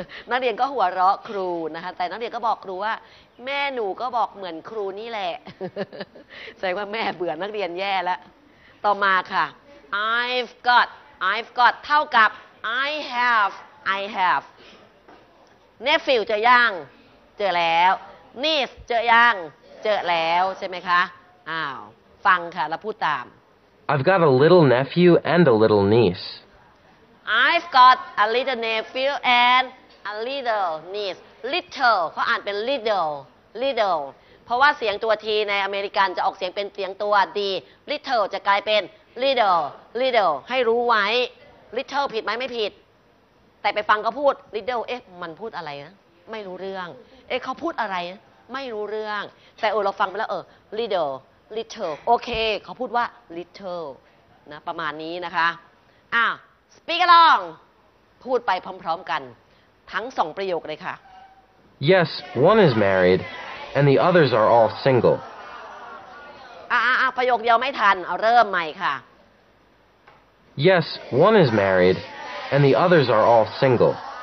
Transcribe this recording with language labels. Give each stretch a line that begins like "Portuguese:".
Thai: นักเรียนก็หัวเราะครูนะคะแต่นักเรียนก็บอกครูว่าแม่หนูก็บอกเหมือนครูนี่แหละแสดงว่าแม่เบื่อนักเรียนแย่แล้วต่อมาค่ะ
English: I've got
Thai: เท่ากับ
English: I have nephew
Thai: เจอย่างเจอแล้ว niece เจอย่างเจอแล้วใช่ไหมคะอ้าวฟังค่ะแล้วพูดตาม
English: I've got a little nephew and a little niece I've got a little nephew and a little niece.
Thai: Little เขาอ่านเป็น little เพราะว่าเสียงตัว T ในอเมริกันจะออกเสียงเป็นเสียงตัว D. Little จะกลายเป็น little ให้รู้ไว้ little ผิดไหมไม่ผิดแต่ไปฟังเขาพูด little เอ๊ะมันพูดอะไรนะไม่รู้เรื่องเอ๊ะเขาพูดอะไรนะไม่รู้เรื่องแต่เราฟังไปแล้วlittle โอเคเขาพูดว่า little นะประมาณนี้นะคะอ้าว
English: Speak along.
Thai: พูดไปพร้อมๆกันทั้งสองประโยคเลยค่ะ
English: Yes, one is married, and the others are all single.
Thai: ประโยคเดียวไม่ทันเอาเริ่มใหม่ค่ะ
English: Yes, one is married, and the others are all single.